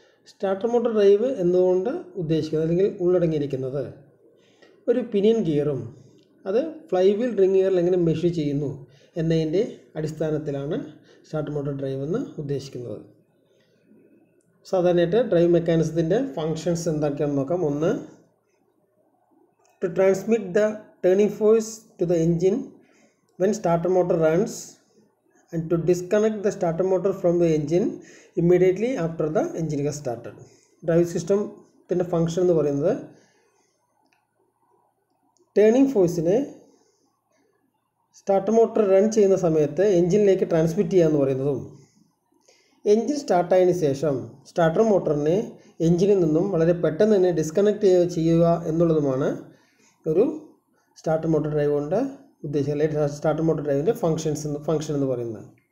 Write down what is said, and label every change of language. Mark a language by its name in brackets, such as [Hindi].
[Malayalam] Starter motor drive എന്നുകൊണ്ട് ഉദ്ദേശിക്കുന്നത്, അല്ലെങ്കിൽ ഉള്ളടങ്ങിയിരിക്കുന്നത്, ഒരു പിനിയൻ ഗിയറും അത് ഫ്ലൈ വീൽ റിംഗ് ഗിയറിൽ എങ്ങനെ മെഷർ ചെയ്യുന്നു എന്നതിൻ്റെ അടിസ്ഥാനത്തിലാണ് സ്റ്റാർട്ടർ മോട്ടോർ ഡ്രൈവ് എന്ന് ഉദ്ദേശിക്കുന്നത്. സാധാരണയായിട്ട് ഡ്രൈവ് മെക്കാനിസത്തിൻ്റെ ഫങ്ഷൻസ് എന്തൊക്കെയാണെന്ന് നോക്കാം. ഒന്ന്, [English] To transmit the turning force to the engine when starter motor runs and to disconnect the starter motor from the engine immediately after the engine has started. [Malayalam] Drive system ത്തിൻ്റെ function എന്ന് പറയുന്നത് turning ഫോഴ്സിനെ starter motor run ചെയ്യുന്ന സമയത്ത് എഞ്ചിനിലേക്ക് transmit ചെയ്യുക എന്ന് പറയുന്നതും, engine സ്റ്റാർട്ടായതിനു ശേഷം സ്റ്റാർട്ടർ മോട്ടറിനെ എഞ്ചിനിൽ നിന്നും വളരെ പെട്ടെന്ന് തന്നെ ഡിസ്കണക്ട് ചെയ്യുക എന്നുള്ളതുമാണ് ഒരു സ്റ്റാർട്ടർ മോട്ടർ ഡ്രൈവ് കൊണ്ട് ഉദ്ദേശിച്ച, അല്ലെങ്കിൽ സ്റ്റാർട്ടർ മോട്ടോർ ഡ്രൈവിൻ്റെ ഫങ്ഷൻ എന്ന് പറയുന്നത്.